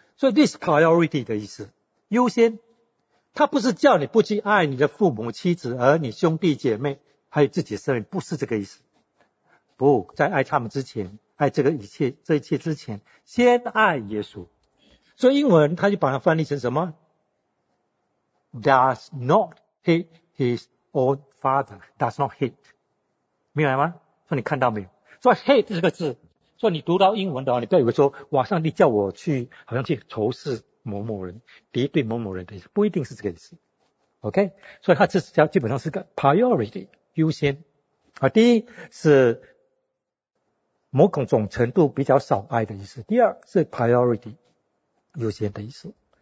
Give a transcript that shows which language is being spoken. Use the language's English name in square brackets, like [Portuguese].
[Chinese] 所以 [English] this priority [Chinese] 的意思，优先。他不是叫你不去爱你的父母、妻子、儿女、兄弟姐妹，还有自己的生命，不是这个意思。不，在爱他们之前，爱这个一切，这一切之前，先爱耶稣。所以英文他就把它翻译成什么？ [English] Does not hate his own father. Does not hate. [Chinese] 明白吗？说你看到没有？说 hate 这个字，说你读到英文的话，你不要以为说，哇，上帝叫我去，好像去仇视某某人，敌对某某人的意思，不一定是这个意思。 [English] OK? [Chinese] 所以他这是叫基本上是个 [English] priority, [Chinese] 优先。啊，第一是某种程度比较少爱的意思。第二是 priority, 优先的意思。